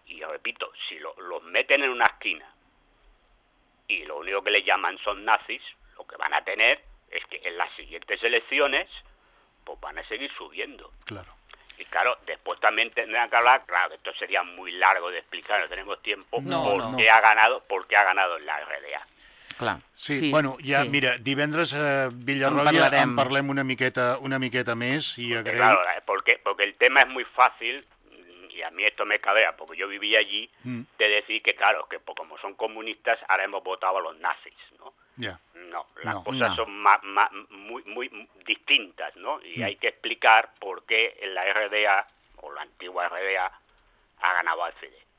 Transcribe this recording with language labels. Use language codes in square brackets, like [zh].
[es] Y yo repito, si los meten en una esquina y lo único que le llaman son nazis, lo que van a tener es que en las siguientes elecciones pues van a seguir subiendo. Claro. Y claro, después también tendrán que hablar, claro, esto sería muy largo de explicar, no tenemos tiempo, no. ¿Por qué ha ganado en la RDA? [ca] Clar. Sí, bueno, ja, sí. Mira, divendres a Villarroya en parlem una miqueta més i agraïm. [es] Claro, porque el tema es muy fácil, y a mí esto me cabea, porque yo vivía allí, de decir que claro, que pues, como son comunistas, ahora hemos votado a los nazis, ¿no? [en] Yeah. [es] No, las cosas son muy distintas, ¿no? Y hay que explicar por qué la RDA, o la antigua RDA, ha ganado al CD.